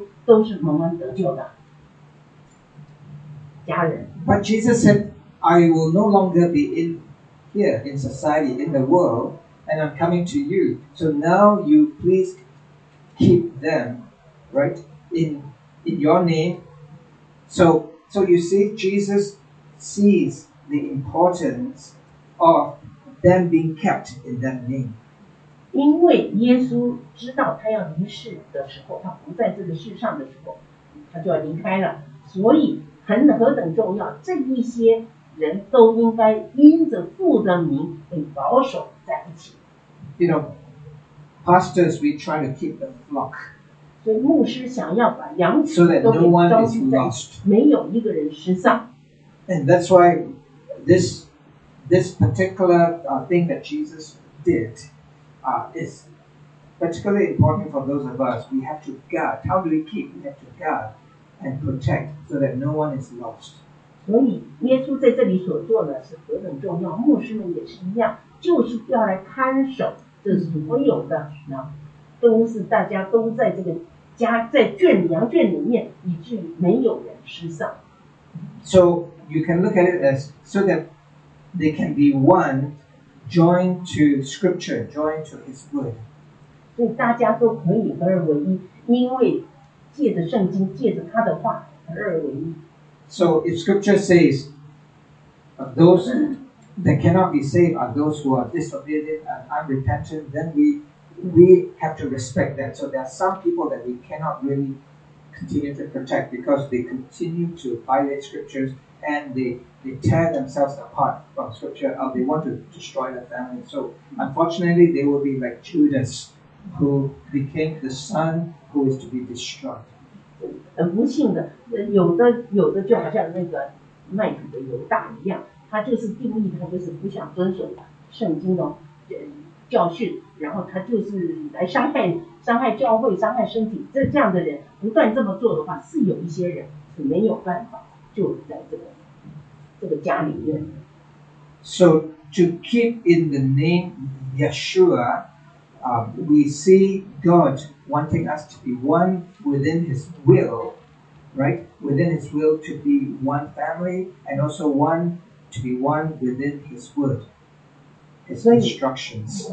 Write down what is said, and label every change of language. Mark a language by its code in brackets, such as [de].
[zh] 所以他们必须大家在一起，就好像在一个方舟里面，彼此要认识，知道我们这些都是蒙恩得救的。 [en] But Jesus said, I will no longer be in here, in society, in the world, and I'm coming to you. So now you please keep them, right, in your name. So you see, Jesus sees the importance of them being kept in that name. [zh] 因为耶稣知道他要离世的时候，他不在这个世上的时候，他就要离开了，所以。很何等重要！这一些人都应该因着父的名被保守在一起。 [en] You know, Pastors, we try to keep the flock. [zh] 所以牧师想要把羊群都给召集在， [en] so that no one is lost. [zh] 没有一个人失丧。 [en] And that's why this particular thing that Jesus did is particularly important for those of us. We have to guard. How do we keep? We have to guard and protect so that no one is lost. [zh] 所以耶稣在这里所做的是何等重要，牧师们也是一样，就是要来看守这所有的羊，都是大家都在这个家在圈羊圈里面，以致没有人失丧。 [en] So you can look at it as so that they can be one, joined to Scripture, joined to His Word. [zh] 所以大家都可以合而为一，因为借着圣经，借着他的话合而为一。 [en] So if Scripture says, those that cannot be saved are those who are disobedient and unrepentant, then we have to respect that. So there are some people that we cannot really continue to protect because they continue to violate Scriptures and they tear themselves apart from Scripture or they want to destroy their family. So unfortunately, they will be like Judas who became the son who is to be destroyed. [zh] 不幸的，有的就好像那个卖主的犹大一样，他就是定义他就是不想遵守圣经的教训，然后他就是来伤害教会，伤害身体。这样的人不断这么做的话，是有一些人是没有办法就在这个家里面。 [en] So to keep in the name Yeshua, we see God. Wanting us to be one within His will, right? Within His will to be one family, and also one to be one within His word, His instructions.